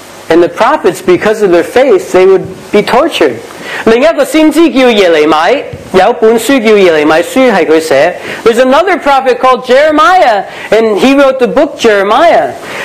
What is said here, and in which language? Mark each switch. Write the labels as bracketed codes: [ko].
[en] and the prophets, because of their faith, they would be tortured. [yue] 另一个先知叫耶利米，有本书叫耶利米书系佢写。 [en] There's another prophet called Jeremiah, and he wrote the book Jeremiah.